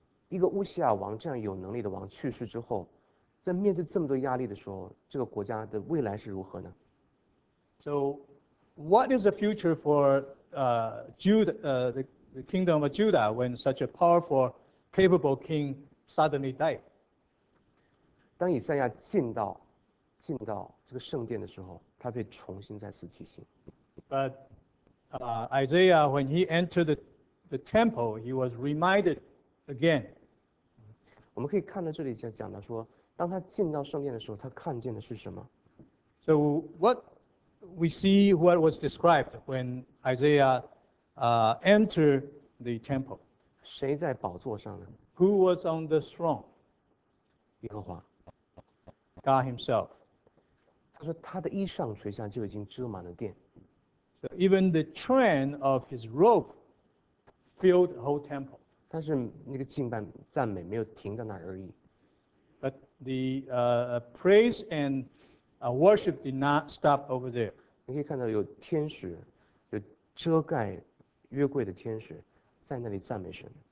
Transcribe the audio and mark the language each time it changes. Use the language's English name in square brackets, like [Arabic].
[Chinese] 一个乌西亚王这样有能力的王去世之后，在面对这么多压力的时候，这个国家的未来是如何呢？ [English] So, what is the future for the kingdom of Judah when such a powerful, capable king suddenly died? [Chinese] 当以赛亚进到这个圣殿的时候，他被重新再次提醒。 [English] But Isaiah, when he entered the temple, he was reminded again. [Chinese] 我们可以看到这里讲到说，当他进到圣殿的时候，他看见的是什么？ [English] So what we see, what was described when Isaiah entered the temple? [Chinese] 谁在宝座上呢？ [English] Who was on the throne? [Chinese] 耶和华。 [English] God himself. [Chinese] 他说他的衣裳垂下就已经遮满了殿。 [English] So even the train of his robe filled the whole temple. [Chinese] 但是那个敬拜赞美没有停在那而已。 [English] But the praise and worship did not stop over there. [Chinese] 你可以看到有天使，有遮盖约柜的天使在那里赞美神。